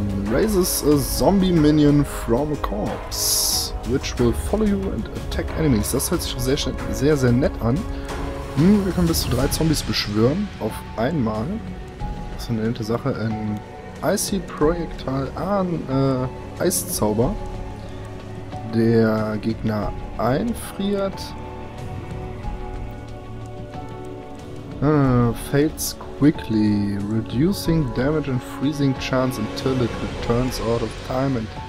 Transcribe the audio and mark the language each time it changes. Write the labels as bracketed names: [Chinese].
[English] Raises a zombie minion from a corpse, which will follow you and attack enemies. [German] Das hört sich schon sehr, sehr, sehr nett an. Wir können bis zu 3 Zombies beschwören auf einmal. Das ist eine nette Sache. Ein Icy Projectile, Eiszauber, der Gegner einfriert. [English] Fades quickly, reducing damage and freezing chance until it returns out of time and...